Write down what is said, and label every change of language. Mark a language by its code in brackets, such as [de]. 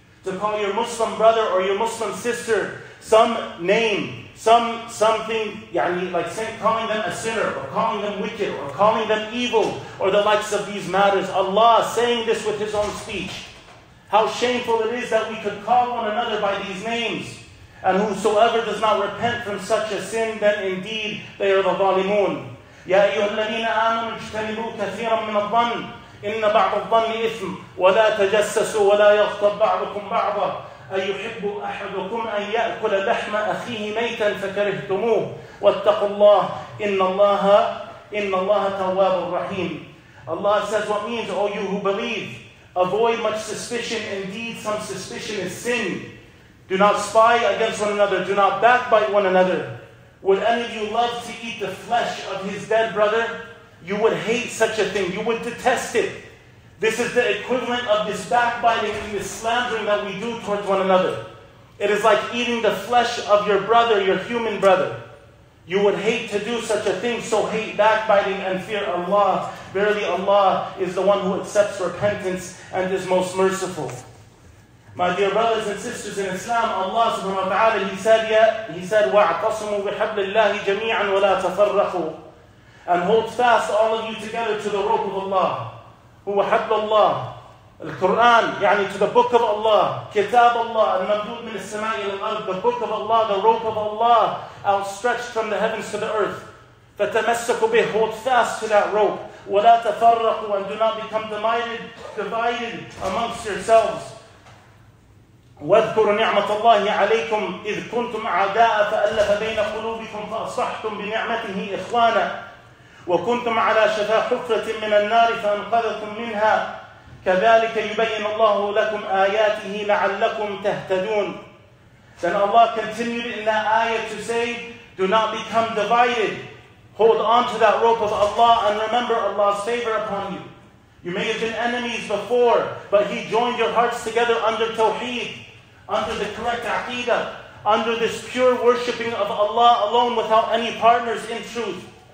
[en] To call your Muslim brother or your Muslim sister some name, something, yani, like saying, calling them a sinner, or calling them wicked, or calling them evil, or the likes of these matters. Allah saying this with His own speech. How shameful it is that we could call one another by these names. And whosoever does not repent from such a sin, then indeed they are the zalimun. [ar] يَا أَيُّهَا الَّذِينَ آمَنُوا اجْتَنِبُوا كَثِيرًا مِّنَ الظَّنِّ إِنَّ بَعْضَ الظَّنِّ إِثْمٌ وَلَا تَجَسَّسُوا وَلَا يَغْتَبْ بَعْضُكُمْ بَعْضًا أيحب أحدكم أن يأكل لحم أخيه ميتا فكرهتموه واتقوا الله إن الله تواب الرحيم. [en] Allah says, what means, all you who believe, avoid much suspicion. Indeed, some suspicion is sin. Do not spy against one another. Do not backbite one another. Would any of you love to eat the flesh of his dead brother? You would hate such a thing. You would detest it. This is the equivalent of this backbiting and this slandering that we do towards one another. It is like eating the flesh of your brother, your human brother. You would hate to do such a thing, so hate backbiting and fear Allah. Verily Allah is the one who accepts repentance and is most merciful. My dear brothers and sisters in Islam, Allah subhanahu wa ta'ala, He said, [ar] وَاعْتَصِمُوا بِحَبْلِ اللَّهِ جَمِيعًا وَلَا تَفَرَّقُوا. [en] And hold fast all of you together to the rope of Allah. [ar] هو حبل الله القرآن يعني [en] to the book of Allah [ar] كتاب الله الممدود من السماء إلى الأرض [en] the book of Allah the rope of Allah outstretched from the heavens to the earth [ar] فتمسكوا به [en] hold fast to that rope [ar] ولا تفرقوا [en] and do not become divided amongst yourselves [ar] واذكروا نعمة الله عليكم إذ كنتم أعداء فألف بين قلوبكم فأصحتم بنعمته إخوانا وكنتم على شفا حفرة من النار فأنقذكم منها كذلك يبين الله لكم آياته لعلكم تهتدون. [en] Then Allah continued in that ayah to say, do not become divided. Hold on to that rope of Allah and remember Allah's favor upon you. You may have been enemies before, but He joined your hearts together under tawheed, under the correct aqidah, under this pure worshipping of Allah alone without any partners in truth.